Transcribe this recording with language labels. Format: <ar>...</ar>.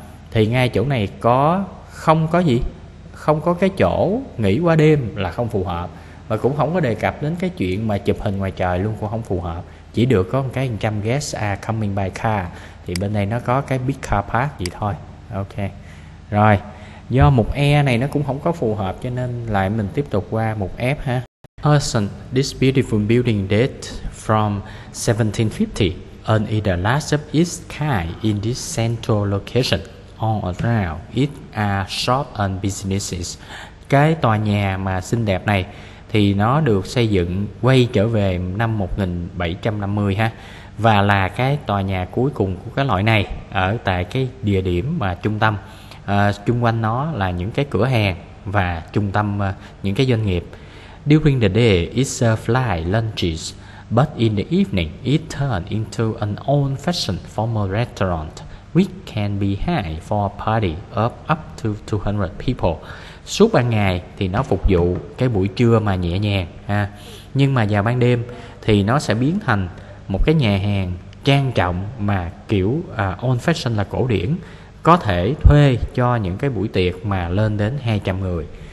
<vi>Thì ngay chỗ này có không có gì, không có cái chỗ nghỉ qua đêm là không phù hợp, và cũng không có đề cập đến cái chuyện mà chụp hình ngoài trời luôn, cũng không phù hợp. Chỉ được có một cái</vi> <en>100 guests are coming by car,</en> <vi>thì bên đây nó có cái</vi> <en>big car park</en> <vi>gì thôi. Ok, rồi do mục E này nó cũng không có phù hợp cho nên lại mình tiếp tục qua mục F ha.</vi> <en>Person, this beautiful building dates from 1750 and is the last of its kind in this central location. All around it are shops and businesses.</en> <vi>Cái tòa nhà mà xinh đẹp này thì nó được xây dựng quay trở về năm 1750 ha, và là cái tòa nhà cuối cùng của cái loại này ở tại cái địa điểm mà trung tâm. Xung quanh nó là những cái cửa hàng và trung tâm những cái doanh nghiệp.</vi> <en>During the day it serves lunches, but in the evening it turns into an old-fashioned formal restaurant which can be had for a party of up to 200 people.</en> <vi>Suốt ban ngày thì nó phục vụ cái buổi trưa mà nhẹ nhàng ha, nhưng mà vào ban đêm thì nó sẽ biến thành một cái nhà hàng trang trọng mà kiểu old-fashioned là cổ điển, có thể thuê cho những cái buổi tiệc mà lên đến 200 người.</vi>